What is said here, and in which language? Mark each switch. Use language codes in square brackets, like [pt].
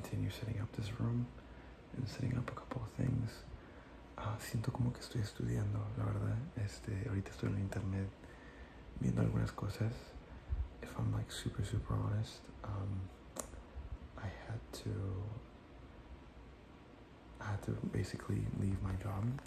[en] Setting up this room and setting up a couple of things. [es] Siento como que estoy estudiando, la verdad. Ahorita estoy en el internet viendo algunas cosas. [en] If I'm like super, super honest, I had to basically leave my job.